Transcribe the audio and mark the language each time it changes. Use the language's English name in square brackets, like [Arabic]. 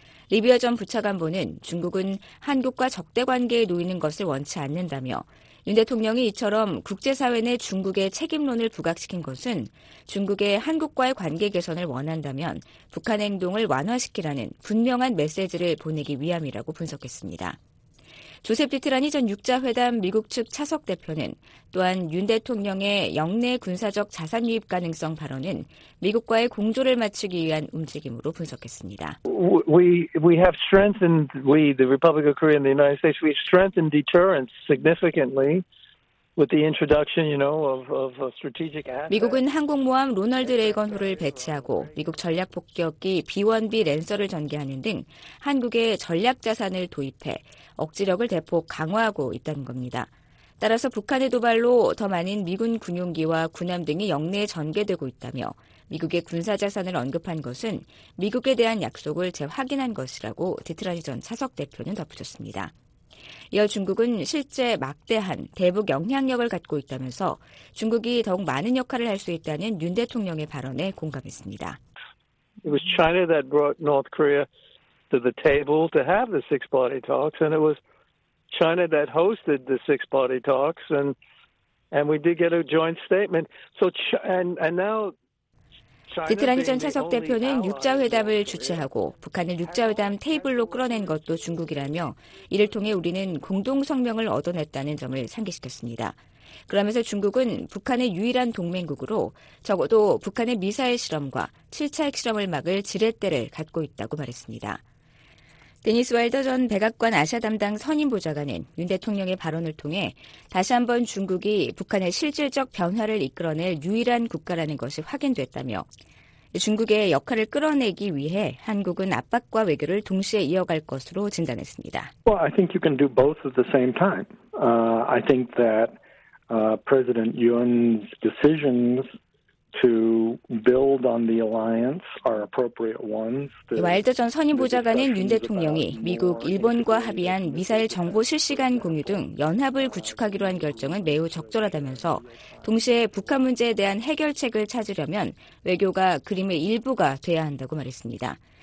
[Korean] 리비어 전 부차관보는 중국은 한국과 적대관계에 놓이는 것을 원치 않는다며 윤 대통령이 이처럼 국제사회 내 중국의 책임론을 부각시킨 것은 중국의 한국과의 관계 개선을 원한다면 북한 행동을 완화시키라는 분명한 메시지를 보내기 위함이라고 분석했습니다. 조셉 디트라니 전 6자회담 미국 측 차석 대표는 또한 윤 대통령의 영내 군사적 자산 유입 가능성 발언은 미국과의 공조를 맞추기 위한 움직임으로 분석했습니다. [English] We have strengthened the Republic of Korea and the United States. We've strengthened deterrence significantly with the introduction, you know, of strategic assets. [Korean] 미국은 항공모함 로널드 레이건호를 배치하고 미국 전략 폭격기 B-1B 랜서를 전개하는 등 한국의 전략 자산을 도입해 억지력을 대폭 강화하고 있다는 겁니다. 따라서 북한의 도발로 더 많은 미군 군용기와 군함 등이 영내에 전개되고 있다며 미국의 군사자산을 언급한 것은 미국에 대한 약속을 재확인한 것이라고 디트라니 전 차석 대표는 덧붙였습니다. 이어 중국은 실제 막대한 대북 영향력을 갖고 있다면서 중국이 더욱 많은 역할을 할 수 있다는 윤 대통령의 발언에 공감했습니다. [English] It was China that brought North Korea to the table to have the six-party talks, and it was China that hosted the six-party talks, and we did get a joint statement. So and now. [Korean] 디트라니 전 차석 대표는 6자회담을 주최하고 북한을 6자회담 테이블로 끌어낸 것도 중국이라며 이를 통해 우리는 공동성명을 얻어냈다는 점을 상기시켰습니다. 그러면서 중국은 북한의 유일한 동맹국으로 적어도 북한의 미사일 실험과 7차 핵실험을 막을 지렛대를 갖고 있다고 말했습니다. 데니스 와일더 전 백악관 아시아 담당 선임 보좌관은 윤 대통령의 발언을 통해 다시 한번 중국이 북한의 실질적 변화를 이끌어낼 유일한 국가라는 것이 확인됐다며 중국의 역할을 끌어내기 위해 한국은 압박과 외교를 동시에 이어갈 것으로 진단했습니다. [English] Well, I think you can do both at the same time. I think that President Yun's decisions to build on the alliance are appropriate ones. [Korean] 와일더 전 선임 보좌관은 윤 대통령이 미국, 일본과 합의한 미사일 정보 실시간 공유 등 연합을 구축하기로 한 결정은 매우 적절하다면서 동시에 북한 문제에 대한 해결책을 찾으려면 외교가 그림의 일부가 돼야 한다고 말했습니다.